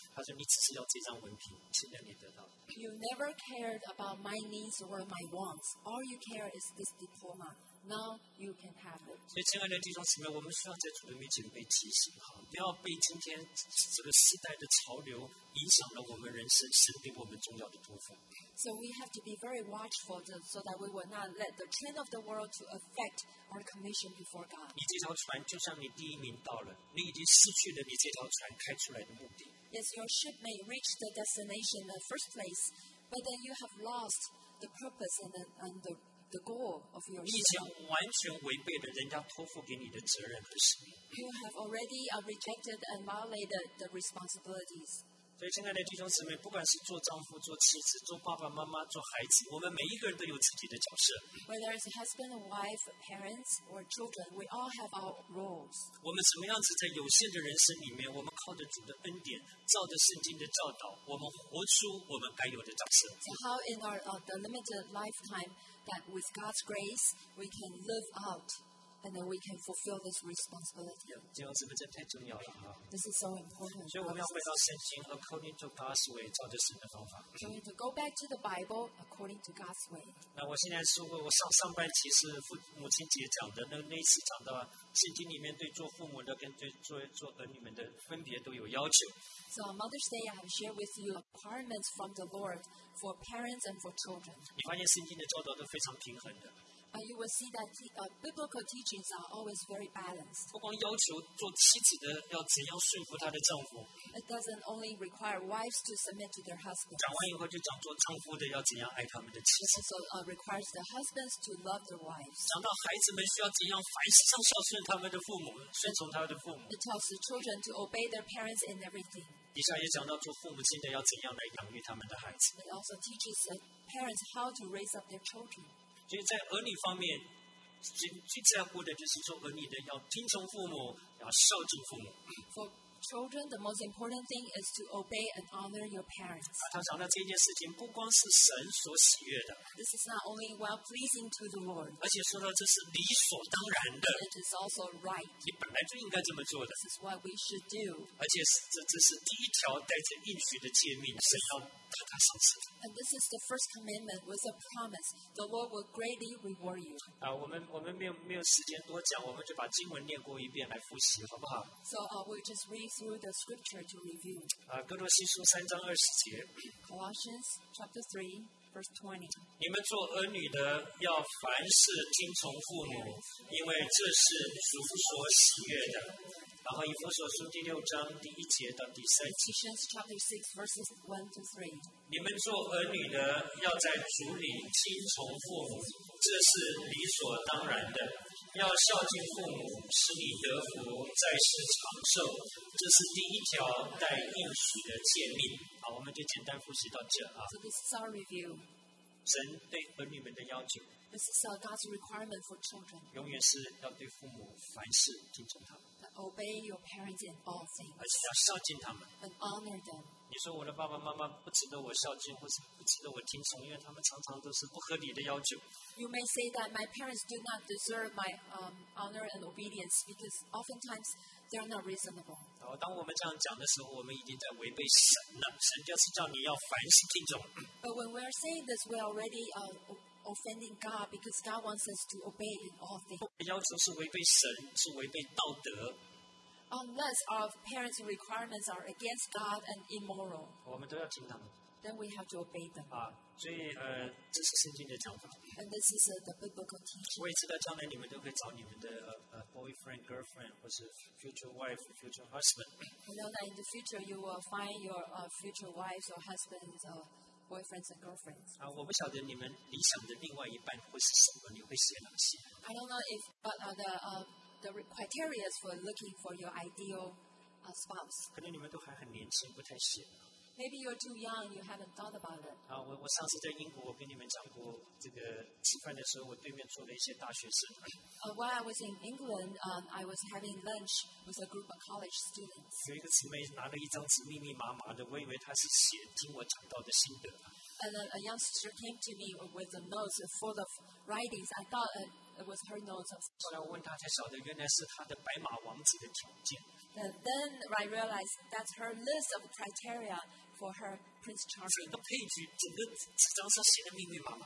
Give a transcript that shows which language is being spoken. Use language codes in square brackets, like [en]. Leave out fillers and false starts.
[zh] 他说：“你只是要这张文凭，现在你得到。” [en] You never cared about my needs or my wants. All you care is this diploma. Now you can have it. [zh] 所以，亲爱的弟兄姊妹，我们需要在主的面前被提醒，哈，不要被今天这个时代的潮流影响了我们人生，神对我们重要的托付。 [en] So we have to be very watchful so that we will not let the trend of the world to affect our commission before God. [zh] 你这条船就像你第一名到了，你已经失去了你这条船开出来的目的。 [en] Yes, your ship may reach the destination in the first place, but then you have lost the purpose and the goal of your ship. [zh] 你已经完全违背了人家托付给你的责任和使命。 [en] You have already rejected and violated the responsibilities. [zh] 所以，亲爱的弟兄姊妹，不管是做丈夫、做妻子、做爸爸妈妈、做孩子，我们每一个人都有自己的角色。 [en] Whether it's husband, wife, parents, or children, we all have our roles. [zh] 我们怎么样子在有限的人生里面，我们靠着主的恩典，照着圣经的教导，我们活出我们该有的角色。 [en] So how in our the limited lifetime that with God's grace we can live out. And then we can fulfill this responsibility. [zh] 弟兄姊妹，这太重要了哈。 [en] This is so important. [zh] 所以我们要回到圣经 ， [en] according to God's way， [zh] 照着神的方法。 [en] So we need to go back to the Bible according to God's way. [zh] 那我现在说过，我上半期是母亲节讲的，那一次讲到圣经里面对做父母的跟对做儿女们的分别都有要求。 [en] So on Mother's Day, I have shared with you requirements from the Lord for parents and for children. [zh] 你发现圣经的教导都非常平衡的。 [en] You will see that biblical teachings are always very balanced. [zh] 不光要求做妻子的要怎样说服她的丈夫。 [en] It doesn't only require wives to submit to their husbands. [zh] 讲完以后就讲做丈夫的要怎样爱他们的妻子。 [en] It also requires the husbands to love their wives. [zh] 讲到孩子们需要怎样凡事上孝顺他们的父母，顺从他的父母。 [en] It tells the children to obey their parents in everything. [zh] 底下也讲到做父母亲的要怎样来养育他们的孩子。 [en] It also teaches the parents how to raise up their children. [zh] 所以在儿女方面，最在乎的就是说，儿女的要听从父母，要孝敬父母。 [en] For children, the most important thing is to obey and honor your parents. [zh] 他讲到这件事情，不光是神所喜悦的。 [en] This is not only well pleasing to the Lord. [zh] 而且说到这是理所当然的。 [en] It is also right. [zh] 你本来就应该这么做的。 [en] This is what we should do. [zh] 而且这是第一条带着应许的诫命，神要。 [en] And this is the first commandment with a promise. The Lord will greatly reward you. [zh] 我们没有时间多讲，我们就把经文念过一遍来复习，好不好 [en] ？So we'll just read through the scripture to review. [zh] 哥罗西书三章二十节。 [en] Colossians chapter 3:20. [zh] 你们做儿女的要凡事听从父母，因为这是主所喜悦的。然后以弗所书第六章第一节到第三节。 [en] Ephesians chapter 6 verses 1 to 3. [zh] 你们做儿女的要在主里听从父母，这是理所当然的。要孝敬父母，使你得福，在世长寿。这是第一条带应许的诫命。好，我们就简单复习到这啊。 [en] So this is our review. [zh] 神对儿女们的要求。 [en] This is God's requirement for children. [zh] 永远是要对父母凡事敬重他们。 [en] Obey your parents in all things. [zh] 而且要孝敬他们。 [en] And honor them. [zh] 你说我的爸爸妈妈不值得我孝敬，或是不值得我听从，因为他们常常都是不合理的要求。 [en] You may say that my parents do not deserve my honor and obedience because oftentimes they are not reasonable. [zh] 好，当我们这样讲的时候，我们已经在违背神了。神就是叫你要凡事敬重。 [en] But when we are saying this, we already offending God because God wants us to obey in all things. [zh] 要求是违背神，是违背道德。 [en] Unless our parents' requirements are against God and immoral. [zh] 我们都要听他们。 [en] then we have to obey them. [zh] 啊，所以这是圣经的讲法。 [en] And this is the biblical teaching. [zh] 我也知道将来你们都可以找你们的 [en] boyfriend, girlfriend, [zh] 或是 [en] future wife, future husband. You know that in the future you will find your future wives or husbands or boyfriends and girlfriends. [zh] 啊，我不晓得你们理想的另外一半会是什么，你会选哪些 [en] ？I don't know if what are the criteria for looking for your ideal spouse. [zh] 可能你们都还很年轻，不太选。 [en] Maybe you're too young. You haven't thought about it. [zh] 啊，我上次在英国，我跟你们讲过这个吃饭的时候，我对面坐了一些大学生。 [en] While I was in England, I was having lunch with a group of college students. [zh] 有一个姊妹拿了一张纸，密密麻麻的，我以为她是写听我讲到的心得。 [en] And a young sister came to me with a note full of writings. I thought it was her note. [zh] 后来我问她才晓得，原来是她的白马王子的条件。 [en] Then I realized that's her list of criteria for her Prince Charming. [zh] 整个配置，整个纸张上写的密密麻麻。